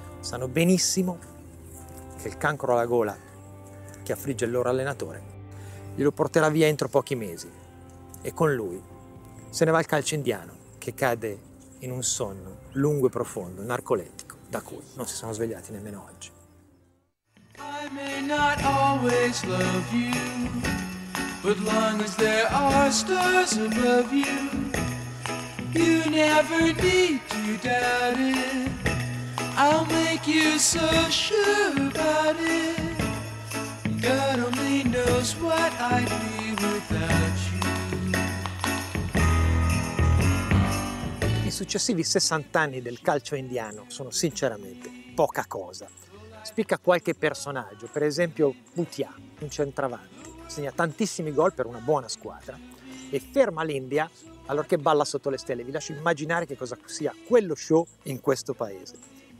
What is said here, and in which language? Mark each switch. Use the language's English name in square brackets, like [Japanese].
[Italian] Sanno benissimo che il cancro alla gola che affligge il loro allenatore glielo porterà via entro pochi mesi, e con lui se ne va il calcio indiano, che cade in un sonno lungo e profondo, narcolettico, da cui non si sono svegliati nemmeno oggi. [English] I may not always love you, but long as there are stars above you, you never need to doubt it, I'll make you so sure about it, God only knows. knows what I'd be without you. [Italian] I successivi 60 anni del calcio indiano sono sinceramente poca cosa. Spicca qualche personaggio, per esempio Bhutia, un centravanti, segna tantissimi gol per una buona squadra e ferma l'India allorché balla sotto le stelle. Vi lascio immaginare che cosa sia quello show in questo paese.